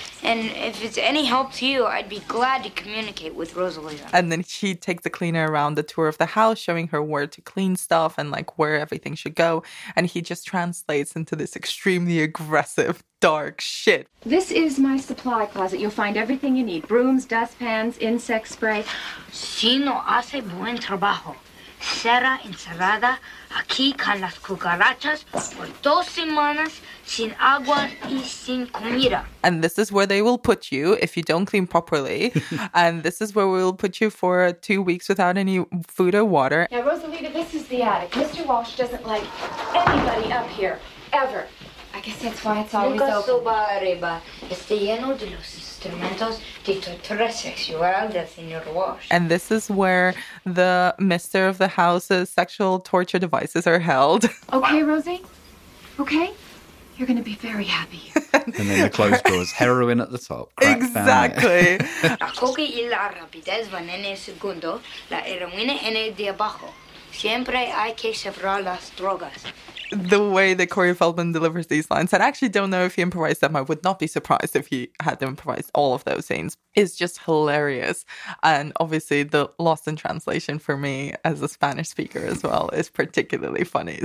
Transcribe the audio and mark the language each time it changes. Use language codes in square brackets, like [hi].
[en] And if it's any help to you, I'd be glad to communicate with Rosalita. And then she takes the cleaner around the tour of the house, showing her where to clean stuff and like where everything should go. And he just translates into this extremely aggressive, dark shit. This is my supply closet. You'll find everything you need. Brooms, dustpans, insect spray. [es] Si no hace buen trabajo, será encerrada aquí con las cucarachas por dos semanas. Sin agua y sin comida. [en] And this is where they will put you if you don't clean properly. And this is where we will put you for 2 weeks without any food or water. Now, Rosalita, this is the attic. Mr. Walsh doesn't like anybody up here, ever. I guess that's why it's always open. [es] Nunca suba arriba. Está lleno de los instrumentos de tortura sexual del señor Walsh. [en] And this is where the mister of the house's sexual torture devices are held. Okay, Rosie? Okay? You're going to be very happy. And then the clothes drawers, heroin at the top. Exactly. [es] Acoge y la rapidez van en el segundo, la heroína en el de abajo. Siempre hay que separar las drogas. [en] The way that Corey Feldman delivers these lines, and I actually don't know if he improvised them, I would not be surprised if he had improvised all of those scenes, is just hilarious. And obviously the lost in translation for me as a Spanish speaker as well is particularly funny.